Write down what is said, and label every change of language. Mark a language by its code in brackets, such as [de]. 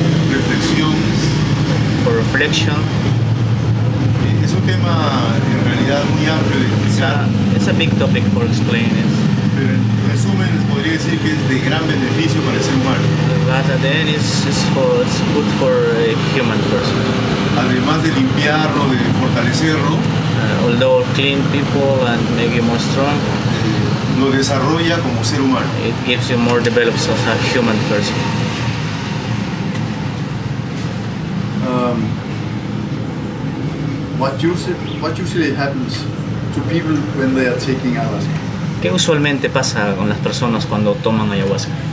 [es] reflexiones [en] for reflection. [es] Es un tema en realidad muy amplio de explicar. [en] It's a big topic for explaining. [es] Pero en resumen les podría decir que es de gran beneficio para el ser humano. [en] But at the end it's good for a human person. [es] Además de limpiarlo, de fortalecerlo. [en] Although clean people and make you more strong. [es] Lo desarrolla como ser humano. It gives you more develops as a human person. [en] What usually happens to people when they are taking ayahuasca? [es] ¿Qué usualmente pasa con las personas cuando toman ayahuasca?